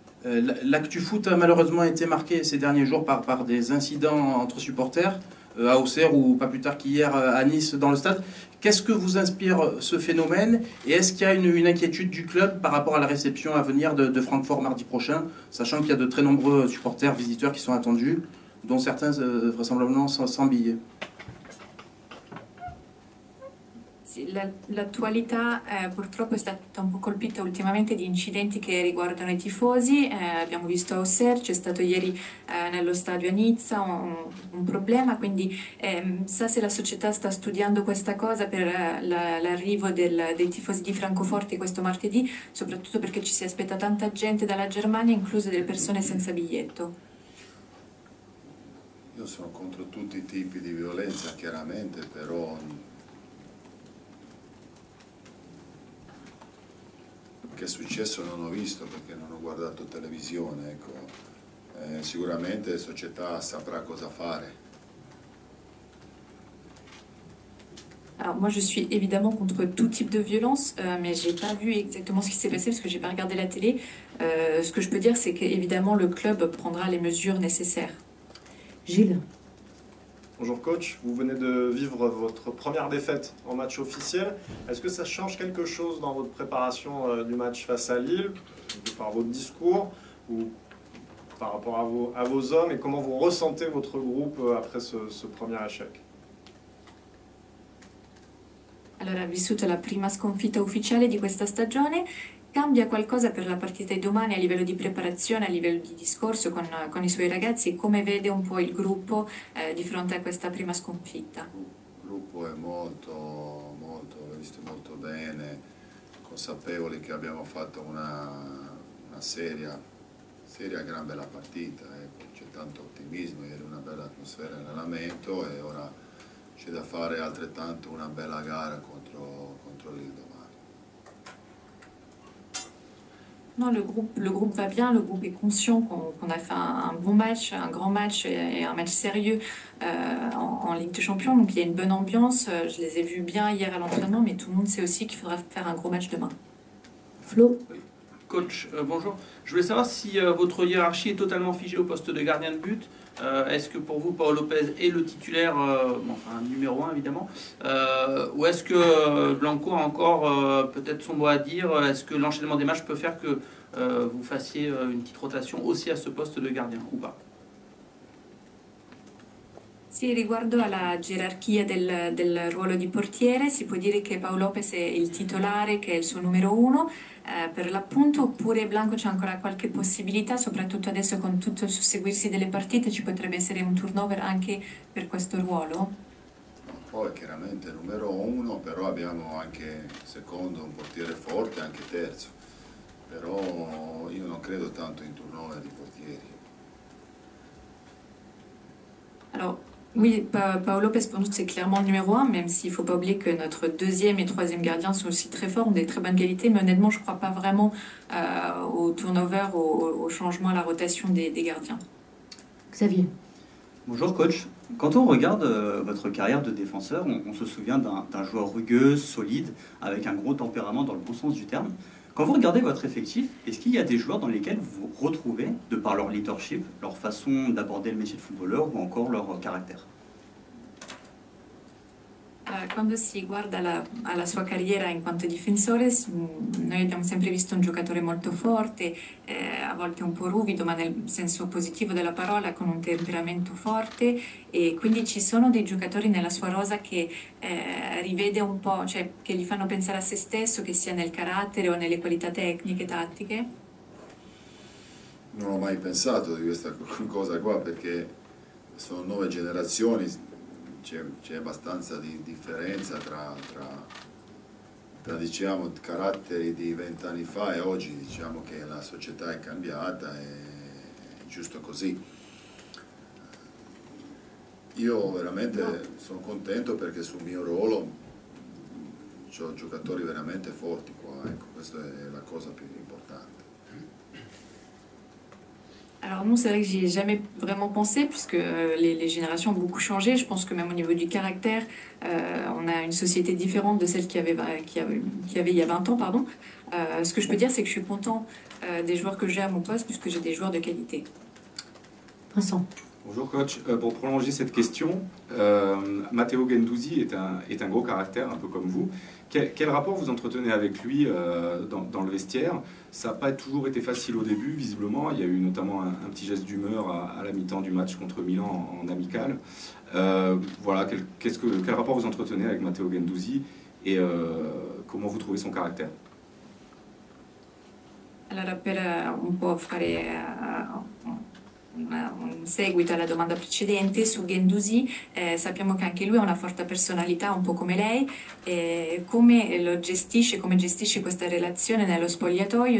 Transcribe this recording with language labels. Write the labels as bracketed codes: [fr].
[fr] L'actu foot a malheureusement été marqué ces derniers jours par des incidents entre supporters, à Auxerre ou pas plus tard qu'hier à Nice dans le stade. Qu'est-ce que vous inspire ce phénomène et est-ce qu'il y a une inquiétude du club par rapport à la réception à venir de Francfort mardi prochain, sachant qu'il y a de très nombreux supporters, visiteurs qui sont attendus, dont certains vraisemblablement sans billets? [it] L'attualità purtroppo è stata un po' colpita ultimamente di incidenti che riguardano i tifosi. Abbiamo visto a Auxerre, c'è stato ieri nello stadio a Nizza un problema, quindi sa se la società sta studiando questa cosa per l'arrivo dei tifosi di Francoforte questo martedì, soprattutto perché ci si aspetta tanta gente dalla Germania, incluse delle persone senza biglietto. Io sono contro tutti i tipi di violenza, chiaramente, però che è successo non ho visto, perché non ho guardato televisione, ecco. Sicuramente la società saprà cosa fare. [fr] Alors moi je suis évidemment contre tout type de violence, mais j'ai pas vu exactement ce qui s'est passé parce que j'ai pas regardé la télé. Ce que je peux dire c'est qu'évidemment le club prendra les mesures nécessaires. Gilles. Bonjour coach, vous venez de vivre votre première défaite en match officiel. Est-ce que ça change quelque chose dans votre préparation du match face à Lille, par votre discours, ou par rapport à vos hommes, et comment vous ressentez votre groupe après ce premier échec? [it] Allora, vissuta la prima sconfitta ufficiale di questa stagione, cambia qualcosa per la partita di domani a livello di preparazione, a livello di discorso con i suoi ragazzi? Come vede un po' il gruppo di fronte a questa prima sconfitta? Il gruppo è molto, molto, l'ho visto molto bene, consapevoli che abbiamo fatto una seria gran bella partita, ecco. C'è tanto ottimismo, ieri una bella atmosfera in allenamento e ora c'è da fare altrettanto una bella gara contro l'Ildo. [fr] Non, le groupe va bien, le groupe est conscient qu'on a fait un bon match, un grand match et un match sérieux en Ligue des Champions. Donc il y a une bonne ambiance, je les ai vus bien hier à l'entraînement, mais tout le monde sait aussi qu'il faudra faire un gros match demain. Flo. Coach, bonjour. Je voulais savoir si votre hiérarchie est totalement figée au poste de gardien de but. Est-ce que pour vous, Paolo Lopez est le titulaire, numéro 1 évidemment, ou est-ce que Blanco a encore peut-être son mot à dire? Est-ce que l'enchaînement des matchs peut faire que vous fassiez une petite rotation aussi à ce poste de gardien ou pas? [it] Sì, riguardo alla gerarchia del ruolo di portiere, si può dire che Paolo Lopez è il titolare, che è il suo numero uno per l'appunto, oppure Blanco c'è ancora qualche possibilità, soprattutto adesso con tutto il susseguirsi delle partite, ci potrebbe essere un turnover anche per questo ruolo? Poi chiaramente numero uno, però abbiamo anche secondo un portiere forte, anche terzo, però io non credo tanto in turnover di portieri. [fr] Alors, oui, Paolo Lopez pour nous c'est clairement le numéro un, même s'il ne faut pas oublier que notre deuxième et troisième gardien sont aussi très forts, ont des très bonnes qualités, mais honnêtement je ne crois pas vraiment au turnover, au changement, à la rotation des gardiens. Xavier. Bonjour coach. Quand on regarde votre carrière de défenseur, on se souvient d'un joueur rugueux, solide, avec un gros tempérament dans le bon sens du terme. Quand vous regardez votre effectif, est-ce qu'il y a des joueurs dans lesquels vous retrouvez, de par leur leadership, leur façon d'aborder le métier de footballeur ou encore leur caractère? [it] Quando si guarda alla sua carriera in quanto difensore, noi abbiamo sempre visto un giocatore molto forte, a volte un po' ruvido, ma nel senso positivo della parola, con un temperamento forte, e quindi ci sono dei giocatori nella sua rosa che rivede un po', cioè che gli fanno pensare a se stesso, che sia nel carattere o nelle qualità tecniche, tattiche? Non ho mai pensato di questa cosa qua, perché sono nuove generazioni. C'è abbastanza di differenza tra diciamo, caratteri di 20 anni fa e oggi, diciamo che la società è cambiata, è giusto così. Io veramente sono contento perché sul mio ruolo ho giocatori veramente forti qua, ecco, questa è la cosa più importante. [fr] Alors non, c'est vrai que j'y ai jamais vraiment pensé, puisque les générations ont beaucoup changé. Je pense que même au niveau du caractère, on a une société différente de celle qu'il y avait il y a 20 ans. Pardon. Ce que je peux dire, c'est que je suis content des joueurs que j'ai à mon poste, puisque j'ai des joueurs de qualité. Vincent. Bonjour coach. Pour prolonger cette question, Matteo Guendouzi est un gros caractère, un peu comme vous. Quel rapport vous entretenez avec lui dans le vestiaire? Ça n'a pas toujours été facile au début, visiblement. Il y a eu notamment un petit geste d'humeur à la mi-temps du match contre Milan en amical. Voilà, quel rapport vous entretenez avec Matteo Guendouzi et comment vous trouvez son caractère? [it] Allora, per un po' fare un seguito alla domanda precedente su Guendouzi, sappiamo che anche lui ha una forte personalità, un po' come lei. Come lo gestisce, come gestisce questa relazione nello spogliatoio?